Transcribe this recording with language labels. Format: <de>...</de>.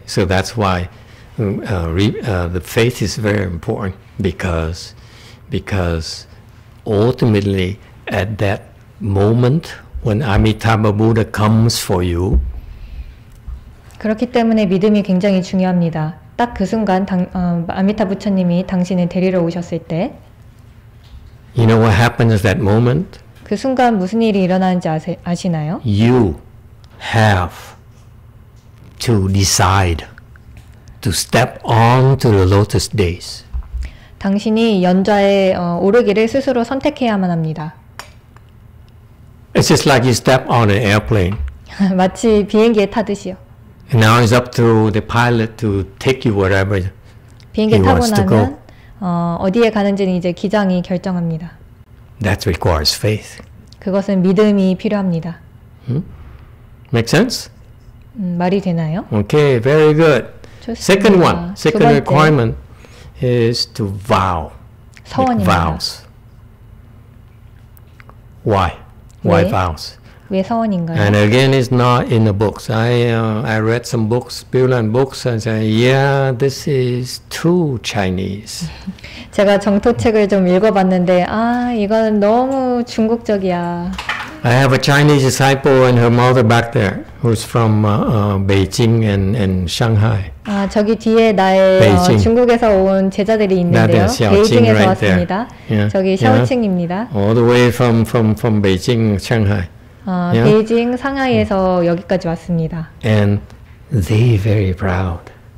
<en>So that's why the faith is very important because ultimately at that moment when Amitabha Buddha comes for you.</en> <ko>그렇기 때문에 믿음이 굉장히 중요합니다. 딱 그 순간 아미타 부처님이 당신을 데리러 오셨을 때</ko> <en>You know what happens at that moment?</en> <ko>그 순간 무슨 일이 일어나는지 아시나요?</ko> <en>You have to decide to step on to the lotus days.</en> <ko>당신이 연좌에 오르기를 스스로 선택해야만 합니다.</ko> <en>It's just like you step on an airplane.</en> <ko>마치 비행기에 타듯이요.</ko> <en>Now it's up to the pilot to take you wherever he wants to go.</en> <ko>비행기 타고 나면 어디에 가는지는 이제 기장이 결정합니다.</ko> <en>That requires faith.</en> <ko>그것은 믿음이 필요합니다.</ko> <en>Make sense?</en> <ko>말이 되나요?</ko> <en>Okay, very good.</en> <ko>좋습니다.</ko> <en>Second one, second requirement is to vow.</en> <ko>서원입니다.</ko> <en>Vows. Why? Why</en> <ko>네.</ko> <en>vows?</en> <ko>왜 서원인가요?</ko> <en>And again, it's not in the books. I read some books, Pure Land books, and said, yeah, this is too Chinese.</en> <ko>제가 정토 책을 좀 읽어봤는데, 아, 이건 너무 중국적이야.</ko> <en>I have a Chinese disciple and her mother back there, who's from Beijing and Shanghai.</en> <ko>아, 저기 뒤에 나의 중국에서 온 제자들이 있는데요. 베이징에서</ko> <en>right</en> <ko>왔습니다.</ko> <en>Yeah.</en> <ko>저기 샤오칭입니다.</ko> <en>Yeah. All the way from Beijing, Shanghai.</en> <ko>베이징, 상하이에서 여기까지 왔습니다.</ko> <en>And they very proud.</en>